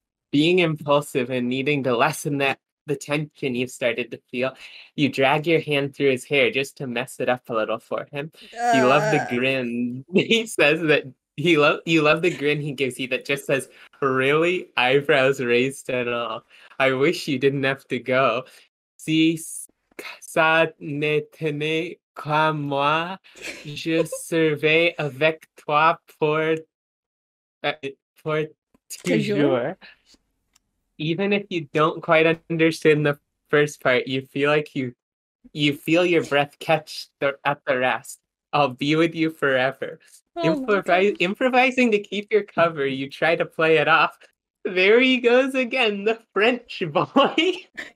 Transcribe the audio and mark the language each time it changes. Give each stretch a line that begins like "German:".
English: Being impulsive and needing to lessen that the tension you've started to feel, you drag your hand through his hair just to mess it up a little for him. You love the grin he says that he love you love the grin he gives you that just says, really? Eyebrows raised and all. I wish you didn't have to go.
French: Si ça ne tenait qu'à moi, je serai avec toi pour toujours.
English: Even if you don't quite understand the first part, you feel like you feel your breath catch at the rest. I'll be with you forever. Improvising to keep your cover, you try to play it off. There he goes again, the French boy.